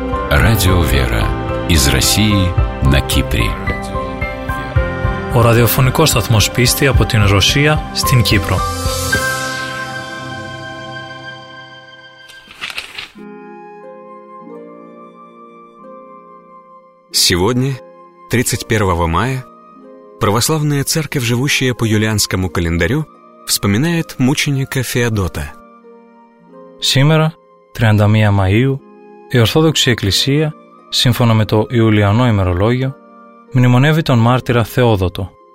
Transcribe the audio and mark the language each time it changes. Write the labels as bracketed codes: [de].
[ru] Радио «Вера» из России на Кипре. [el] Ο ραδιοφωνικός σταθμός πίστη από την Ρωσία στην Κύπρο. [ru] Сегодня, 31 мая, православная церковь, живущая по юлианскому календарю, вспоминает мученика Феодота. [el] Σήμερα, 31 Μαΐου, η Ορθόδοξη Εκκλησία, σύμφωνα με το Ιουλιανό ημερολόγιο, μνημονεύει τον μάρτυρα Θεόδοτο.